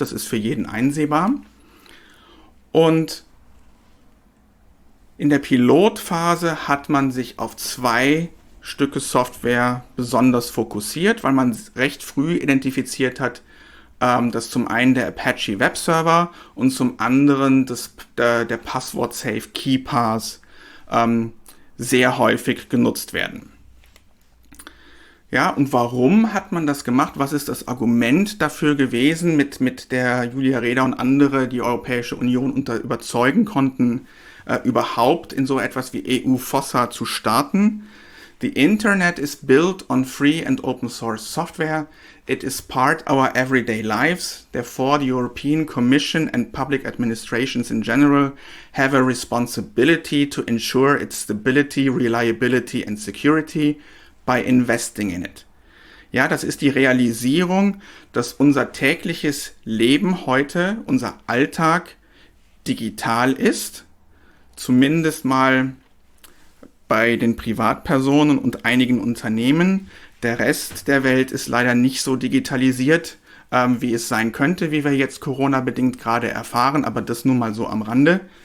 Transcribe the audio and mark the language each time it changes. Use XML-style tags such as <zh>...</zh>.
<de>Das ist für jeden einsehbar. Und in der Pilotphase hat man sich auf zwei Stücke Software besonders fokussiert, weil man recht früh identifiziert hat, dass zum einen der Apache Webserver und zum anderen der Passwort-Safe KeyPass sehr häufig genutzt werden. Ja, und warum hat man das gemacht? Was ist das Argument dafür gewesen, mit der Julia Reda und andere die Europäische Union überzeugen konnten, überhaupt in so etwas wie EU-FOSSA zu starten?</de> <en>The internet is built on free and open source software. It is part of our everyday lives. Therefore, the European Commission and public administrations in general have a responsibility to ensure its stability, reliability and security by investing in it.</en> <de>Ja, das ist die Realisierung, dass unser tägliches Leben heute, unser Alltag, digital ist. Zumindest mal bei den Privatpersonen und einigen Unternehmen. Der Rest der Welt ist leider nicht so digitalisiert, wie es sein könnte, wie wir jetzt Corona-bedingt gerade erfahren, aber das nur mal so am Rande.</de>